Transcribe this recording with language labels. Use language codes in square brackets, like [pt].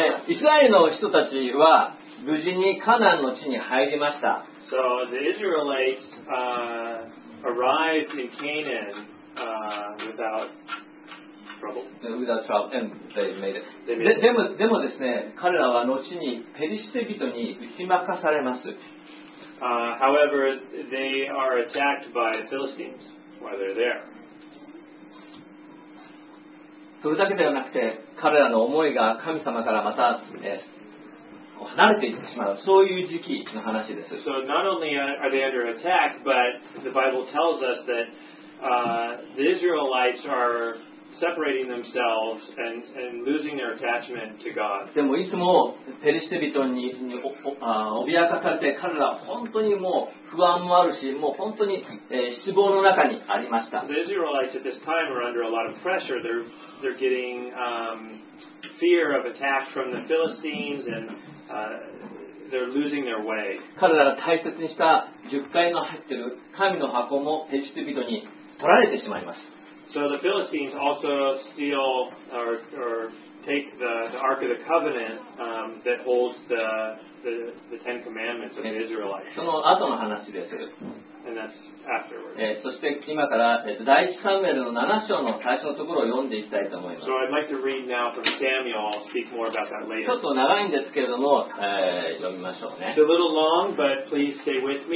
[ja] イスラエルの人たちは無事にカナンの地に入りました [en] So the Israelites arrived in Canaan without Without trouble, and they made it. [ja] でもですね、彼らは後にペリシテ人に打ち負かされます。 [en] However, they are attacked by Philistines while they're there. [ja] それだけではなくて、彼らの思いが神様からまた、離れていってしまう、そういう時期の話です。 [en] So not only are they under attack, but the Bible tells us that the Israelites are separating themselves and losing their attachment to God. [ja] でもいつもペリシテ人に脅かされて彼らは本当にもう不安もあるし、もう本当に失望の中にありました。 [en] The Israelites at this time are under a lot of pressure. They're getting fear of attack from the Philistines and they're losing their way. [ja] 彼らが大切にした十戒の入っている神の箱もペリシテ人に取られてしまいます。 [en] So the Philistines also steal or take the Ark of the Covenant that holds the Ten Commandments of the Israelites. [ja] その後の話です。 [en] And that's afterwards. [ja] そして今から第一サムエルの7章の最初のところを読んでいきたいと思います。 [en] So I'd like to read now from Samuel. I'll speak more about that later. [ja] ちょっと長いんですけれども、読みましょうね。 [en] It's a little long, but please stay with me.